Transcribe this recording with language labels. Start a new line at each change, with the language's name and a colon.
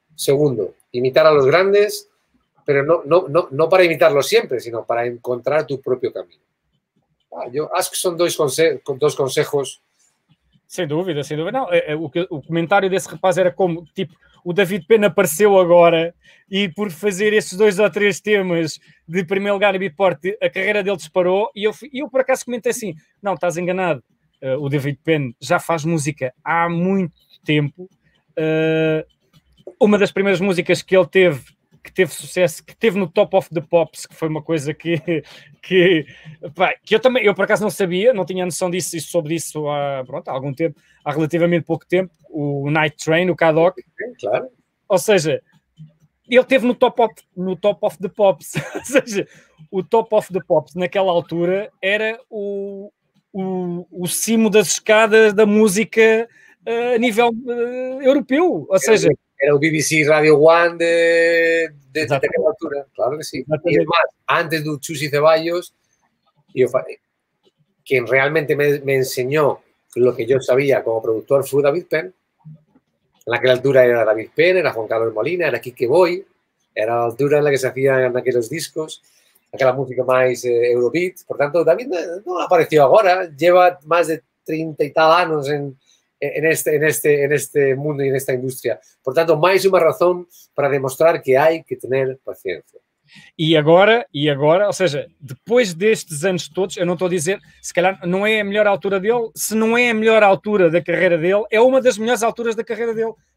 Spanish: Segundo, imitar a los grandes. Pero no para imitarlo siempre, sino para encontrar tu propio camino. Yo acho que son dos consejos. Sin duda.
Portuguese: Não, o comentario de ese rapaz era como, tipo, o David Penn apareceu agora e por fazer esses dois ou três temas de primeiro lugar em Beatport, a carreira dele disparou, e eu por acaso comentei assim, não, estás enganado, o David Penn já faz música há muito tempo. Uma das primeiras músicas que ele teve, que teve sucesso, que teve no Top of the Pops, que foi uma coisa que eu também, eu por acaso não sabia, não tinha noção disso e soube disso há relativamente pouco tempo, o Night Train, o K-Doc. Claro. Ou seja, ele teve no Top of the Pops, ou seja, o Top of the Pops naquela altura era o cimo das escadas da música a nível europeu, ou seja... Era o BBC Radio 1 de aquela altura,
Spanish: claro que sí. Y además, antes de Chusi Ceballos, quien realmente me enseñó lo que yo sabía como productor fue David Penn. En aquella altura era David Penn, era Juan Carlos Molina, era Quique Boy, era la altura en la que se hacían aquellos discos.
Portuguese: aquela música mais Eurobeat. Portanto, David não apareceu agora, lleva mais de 30 e tal anos neste mundo e nesta indústria. Portanto, mais uma razão para demonstrar que há que ter paciência. E agora, ou seja, depois destes anos todos, eu não estou a dizer, se calhar não é a melhor altura dele, se não é a melhor altura da carreira dele, é uma das melhores alturas da carreira dele.